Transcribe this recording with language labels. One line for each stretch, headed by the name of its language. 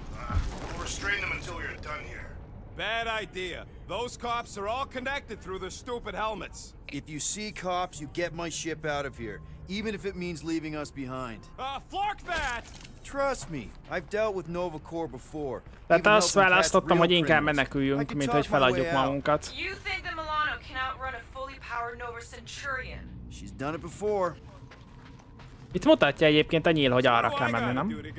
English: We'll restrain them until you're done here. Bad idea. Those cops are all connected through their stupid helmets. If you see cops, you get my ship out of here. Even if it means leaving us behind. Flark that! Trust me, I've dealt with Nova Corps before.
Hungarian: Tehát azt választottam, hogy inkább meneküljünk, mint hogy feladjuk magunkat.
English: You think that Milano can outrun a fully powered Nova Centurion? She's done it before.
Hungarian: Itt mutatja egyébként a nyíl, hogy arra kell menni, nem?